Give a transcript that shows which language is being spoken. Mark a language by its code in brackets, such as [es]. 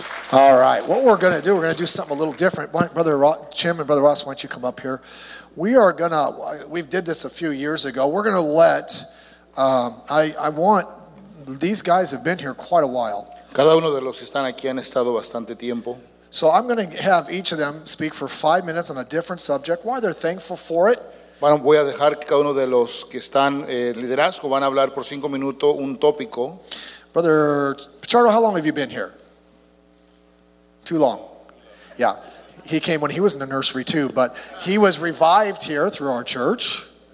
[en] all right, what we're going to do, we're going to do something a little different. Brother Jim and Brother Ross, why don't you come up here? We are going to, we did this a few years ago. We're going to let, I want, these guys have been here quite a while. [es] Cada uno de los que están aquí han estado bastante tiempo. [en] So I'm going to have each of them speak for 5 minutes on a different subject, why they're thankful for it. [es] Bueno, voy a dejar que cada uno de los que están liderazgo van a hablar por 5 minutos un tópico. [en] Brother Pichardo, how long have you been here? Too long. Yeah. He came when he was in the nursery too, but he was revived here through our church.